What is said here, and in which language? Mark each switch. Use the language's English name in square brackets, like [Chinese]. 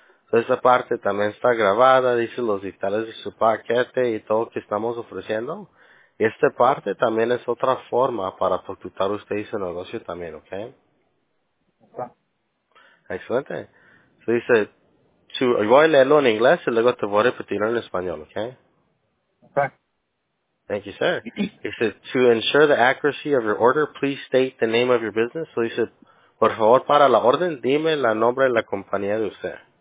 [Spanish] So esa parte también está grabada, dice los detalles de su paquete y todo que estamos ofreciendo. Y esta parte también es otra forma para facturar usted y su negocio también, ¿ok? Excelente. So dice, voy a leerlo en inglés y luego te voy a repetir en español, ¿ok? [English] Thank you, sir. He said, to ensure the accuracy of your order, please state the name of your business. So he said, [Spanish] por favor, para la orden, dime la nombre de la compañía de usted.